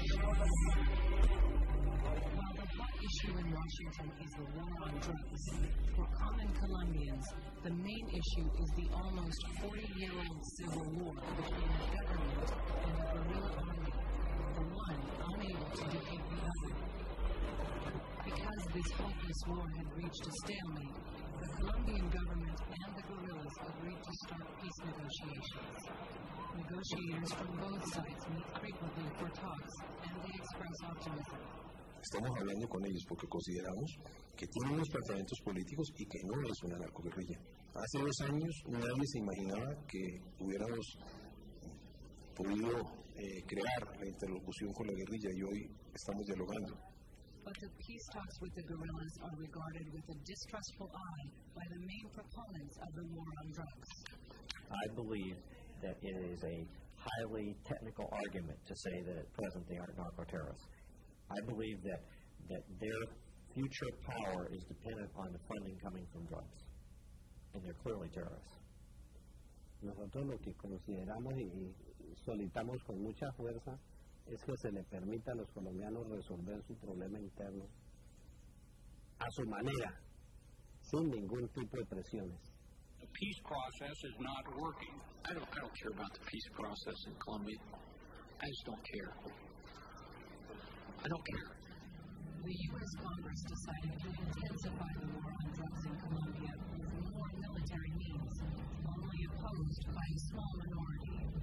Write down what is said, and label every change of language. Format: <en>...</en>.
<en>While the hot issue in Washington is the war on drugs, for common Colombians, the main issue is the almost 40-year-old civil war between the government and the guerrilla army, the one unable to defeat the other. Because this hopeless war had reached a stalemate, the Colombian government and the guerrillas agreed to start peace negotiations. Negotiators from both sides meet frequently for talks, and they express optimism.</en> <es>Estamos hablando con ellos porque consideramos que tienen unos planteamientos políticos y que no es una narcoguerrilla. Hace dos años nadie se imaginaba que hubiéramos podido crear la interlocución con la guerrilla y hoy estamos dialogando.</es> <en>But the peace talks with the guerrillas are regarded with a distrustful eye by the main proponents of the war on drugs. I believe that it is a highly technical argument to say that at present they aren't narco-terrorists. I believe that their future power is dependent on the funding coming from drugs, and they're clearly terrorists.</en> <es>Nosotros lo que consideramos y solicitamos con mucha fuerza es que se le permita a los colombianos resolver su problema interno a su manera, sin ningún tipo de presiones.</es> <en>The peace process is not working. I don't care about the peace process in Colombia. I just don't care. I don't care. The U.S. Congress decided to intensify the war on drugs in Colombia with more military means, only opposed by a small minority.</en>